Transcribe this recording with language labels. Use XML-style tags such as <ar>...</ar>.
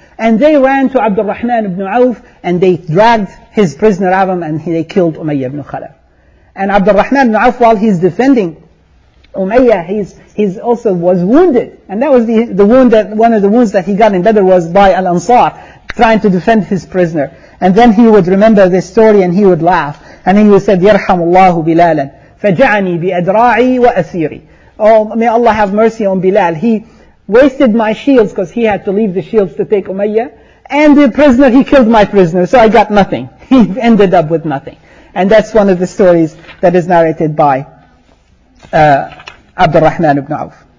<en>And they ran to Abdurrahman ibn Auf and they dragged his prisoner out of him and they killed Umayyah ibn Khalaf. And Abdurrahman ibn Auf, while he's defending Umayyah, he's also was wounded. And that was one of the wounds that he got in Badr was by Al-Ansar, trying to defend his prisoner. And then he would remember this story and he would laugh. And he would say,</en> <ar>يَرْحَمُ اللَّهُ بِلَالًا فَجَعَنِي بِأَدْرَاعِي وَأَثِيرِي.</ar> <en>Oh, may Allah have mercy on Bilal. He wasted my shields because he had to leave the shields to take Umayyah. And the prisoner, he killed my prisoner. So I got nothing. He ended up with nothing. And that's one of the stories that is narrated by Abdurrahman ibn Auf.</en>